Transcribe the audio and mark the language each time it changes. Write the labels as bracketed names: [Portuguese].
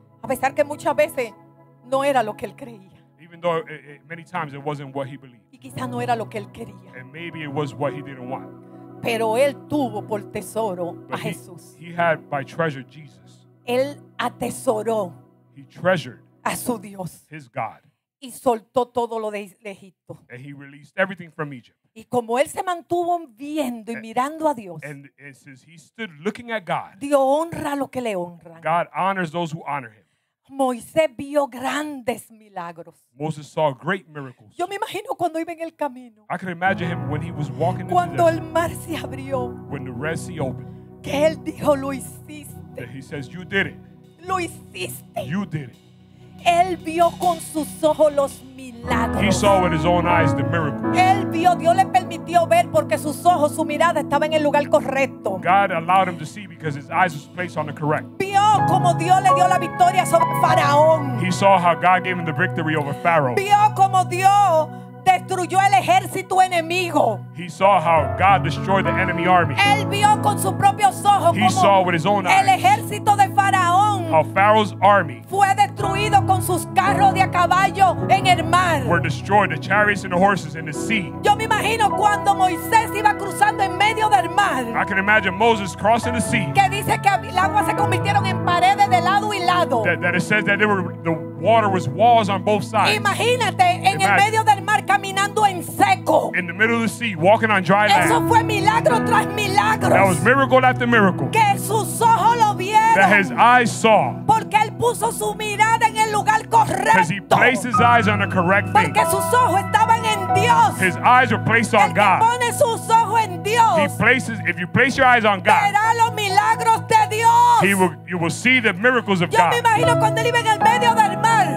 [Spanish] A pesar que muchas veces no era lo que él creía. [English] Even though many times it wasn't what he believed. [Spanish] Y quizás no era lo que él quería. [English] And maybe it was what he didn't want. [Spanish] Pero él tuvo por tesoro a Jesús. [English] He had by treasure Jesus. [Spanish] Él atesoró. [English] He treasured. [Spanish] A su Dios. [English] His God. [Spanish] Y soltó todo lo de Egipto. [English] And he released everything from Egypt. [Spanish] Y como él se mantuvo viendo y mirando a Dios. [English] And since he stood looking at God. [Spanish] Dios honra lo que le honran. [English] God honors those who honor him. [Spanish] Moisés vio grandes milagros. [English] Moses saw great miracles. [Spanish] Yo me imagino cuando iba en el camino. [English] I can imagine him when he was walking in the desert. [Spanish] Cuando el mar se abrió. [English] When the Red Sea opened. [Spanish] Que él dijo, lo hiciste. [English] That he says, you did it. [Spanish] Lo hiciste. [English] You did it. [Spanish] Él vio con sus ojos los milagros. [English] He saw with his own eyes the miracles. [Spanish] Él vio, Dios le permitió ver porque sus ojos, su mirada estaba en el lugar correcto. [English] God allowed him to see because his eyes was placed on the correct. [Spanish] Vio como Dios le dio la victoria sobre Faraón. [English] He saw how God gave him the victory over Pharaoh. [Spanish] Vio como Dios destruyó el ejército enemigo. [English] He saw how God destroyed the enemy army. [Spanish] Él vio con sus propios ojos. [English] He saw with his own eyes. [Spanish] El ejército de Faraón. [English] How Pharaoh's army. [Spanish] Fue destruido con sus carros de a caballo en el mar. [English] Were destroyed, the chariots and the horses in the sea. [Spanish] Yo me imagino cuando Moisés iba cruzando en medio del mar. [English] I can imagine Moses crossing the sea. [Spanish] Que dice que el agua se convirtieron en paredes de lado y lado. [English] That it says that they were the water was walls on both sides. [Spanish] Imagínate en el medio del mar caminando en seco. [English] In the middle of the sea, walking on dry land. [Spanish] Eso fue milagro tras milagro. [English] That was miracle after miracle. [Spanish] Que sus ojos lo vieron. [English] That his eyes saw. [Spanish] Porque él puso su mirada en el lugar correcto. [English] Because he placed his eyes on the correct thing. [Spanish] Porque sus ojos estaban en Dios. [English] His eyes were placed on God. [Spanish] El que pone sus ojos en Dios. [English] He places, if you place your eyes on God. [Spanish] Verá los milagros de Dios. [English] You will see the miracles of [Spanish] Yo [English] God. [Spanish] Yo me imagino cuando él iba en el medio del mar.